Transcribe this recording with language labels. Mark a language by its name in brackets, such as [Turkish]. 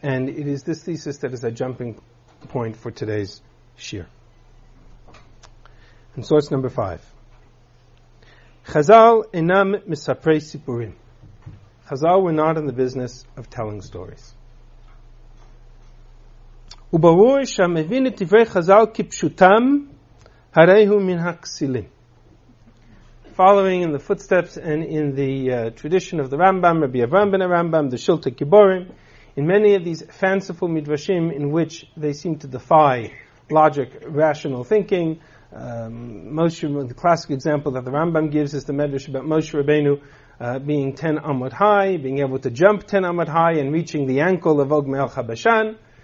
[English] And it is this thesis that is a jumping point for today's shiur. And source number 5. [Hebrew] Chazal enam misaprei sipurim. [English] Chazal were not in the business of telling stories. [Hebrew] וברור שהמבין את דברי חזל כפשוטם, הרי הוא מן הכסילים. [English] Following in the footsteps and in the tradition of the Rambam, Rabbi Avraham ben Rambam, the Shulta Kiborim, in many of these fanciful midrashim in which they seem to defy logic, rational thinking, the classic example that the Rambam gives is the Medrash about Moshe Rabbeinu being 10 amot high, being able to jump 10 amot high and reaching the ankle of Og Me'el Chabashan.